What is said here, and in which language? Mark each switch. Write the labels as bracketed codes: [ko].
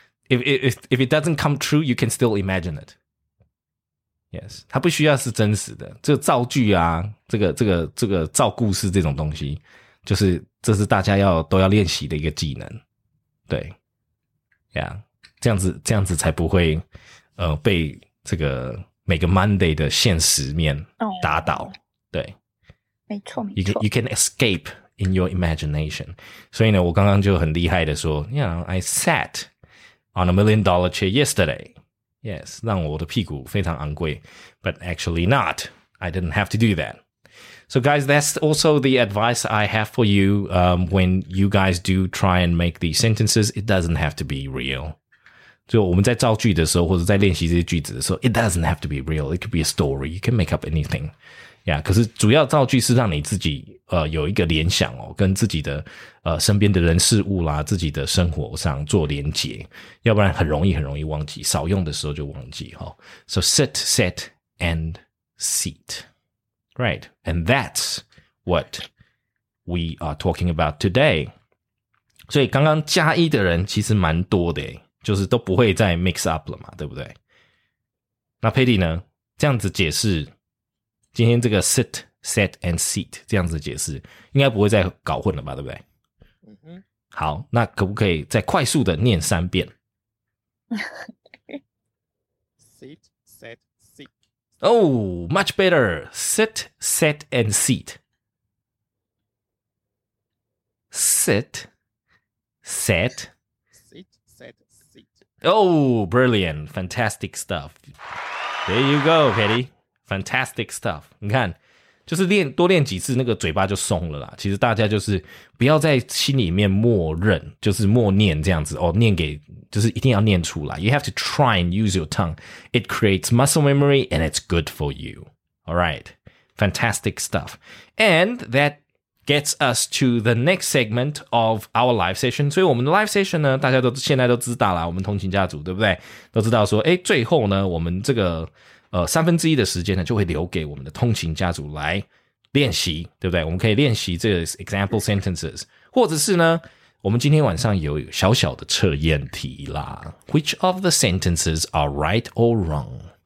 [en] If it doesn't come true, you can still imagine it. [zh] Yes. 它不需要是真实的。这个造句啊，这个造故事这种东西，就是这是大家要都要练习的一个技能。对。Yeah. 这样子才不会被这个每个 Monday 的现实面打倒。对。没错。 [en] You can escape in your imagination. [zh] 所以呢我刚刚就很厉害的说 [en] you know, I sat on $1 million chair yesterday. [zh] Yes, 让我的屁股非常昂贵。 [en] But actually not. I didn't have to do that. So guys, that's also the advice I have for you when you guys do try and make these sentences. It doesn't have to be real. [zh] 就我们在造句的时候或者在练习这些句子的时候 [en] it doesn't have to be real. It could be a story. You can make up anything. [zh] Yeah, 可是主要造句是让你自己有一个联想哦，跟自己的身边的人事物啦，自己的生活上做连结，要不然很容易忘记，少用的时候就忘记哈。 [en] So sit, set, and seat, right? And that's what we are talking about today. [zh] 所以刚刚加一的人其实蛮多的，就是都不会再 mix up 了嘛，对不对？那佩蒂呢？这样子解释。今天这个 sit, set, and seat 这样子解释应该不会再搞混了吧对不对、mm-hmm. 好那可不可以再快速的念三遍 [en] sit, set, seat oh much better sit, set, and seat sit, set sit, set, seat oh brilliant fantastic stuff there you go Petty Fantastic stuff. [zh] 你看就是练多练几次那个嘴巴就松了啦。其实大家就是不要在心里面默认就是默念这样子哦念给就是一定要念出来。 [en] You have to try and use your tongue. It creates muscle memory and it's good for you. Alright. Fantastic stuff. And that gets us to the next segment of our live session. [zh] 所以我们的 live session 呢大家都现在都知道啦我们通勤家族对不对都知道说诶最后呢我们这个三分之一的时间呢就会留给我们的通勤家族来练习对不对我们可以练习这个 example sentences 或者是呢我们今天晚上有小小的测验题啦 [en] Which of the sentences are right or wrong